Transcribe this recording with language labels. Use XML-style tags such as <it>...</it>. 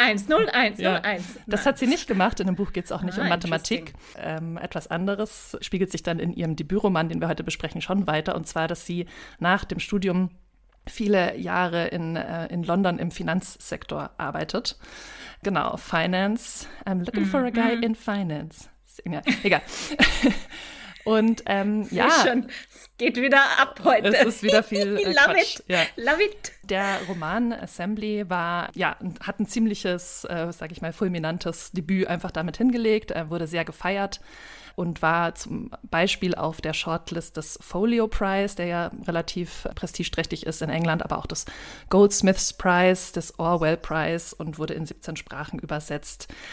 <de>01. Das hat sie nicht gemacht. In dem Buch geht es auch nicht um Mathematik. Etwas anderes spiegelt sich dann in ihrem Debütroman, den wir heute besprechen, schon weiter. Und zwar, dass sie nach dem Studium viele Jahre in London im Finanzsektor arbeitet. Genau, Finance.</de> <en>I'm looking for a guy in Finance.</en> <de>Egal. Und schon, es geht wieder ab heute. Es ist wieder viel</de> <en>Love</en> <de>Quatsch.</de> <en>It. Ja. Love it.</en> <de>Der Roman Assembly hat ein ziemliches, sag ich mal, fulminantes Debüt einfach damit hingelegt. Er wurde sehr gefeiert und war zum Beispiel auf der Shortlist des Folio Prize, der ja relativ prestigeträchtig ist in England, aber auch des Goldsmiths Prize, des Orwell Prize und wurde in 17 Sprachen übersetzt.</de>